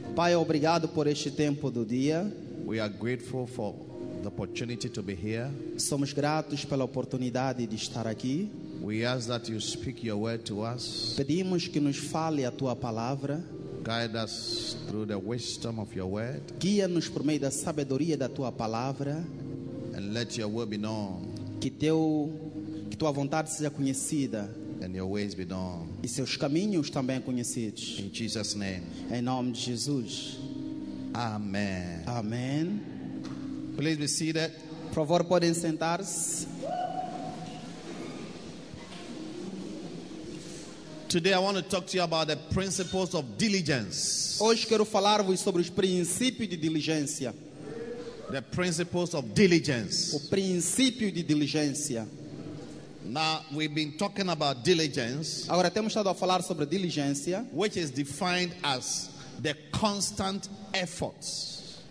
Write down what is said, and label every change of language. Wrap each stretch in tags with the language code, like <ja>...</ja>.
<pt>Pai, obrigado por este tempo do dia.</pt> <en>We are grateful for the opportunity to be here.</en> <pt>Somos gratos pela oportunidade de estar aqui.</pt> <en>We ask that you speak your word to us.</en> <pt>Pedimos que nos fale a tua palavra.</pt> <en>Guide us through the wisdom of your word.</en> <pt>Guia-nos por meio da sabedoria da tua palavra.</pt> <en>And let your will be known.</en> <pt>Que tua vontade seja conhecida.</pt> <en>And your ways be known.</en> <pt>E seus caminhos também conhecidos.</pt> <en>In Jesus name.</en> <pt>Em nome de Jesus.</pt> <en>Amen.</en> <pt>Amen.</pt> <en>Please be seated.</en> <pt>Por favor, podem sentar-se.</pt> <en>Today I want to talk to you about the principles of diligence.</en> <pt>Hoje quero falar-vos sobre os princípios de diligência.</pt> <en>The principles of diligence.</en> <pt>O princípio de diligência.</pt> <en>Now we've been talking about diligence.</en> <pt>Agora temos estado a falar sobre diligência,</pt> <en>which is defined as the constant efforts.</en>